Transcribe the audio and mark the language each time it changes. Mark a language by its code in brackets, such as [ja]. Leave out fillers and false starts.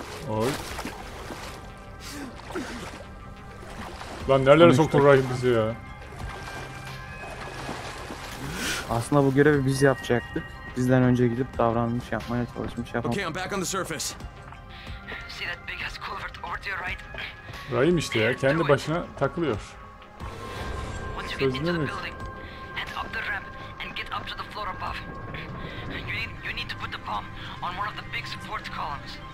[tr] Oy. Lan nerelere soktun Rahim bizi ya? Aslında bu görevi biz yapacaktık. Bizden önce gidip davranmış, yapmaya çalışmış, yapamamış. [en] Okay, I'm back on the surface. See that big ass culvert over to your right? [tr] Rahim işte ya, kendi başına takılıyor. Sözünü mü? [en] Head up the ramp and get up to the floor above. You need to put the bomb on one of the big support columns.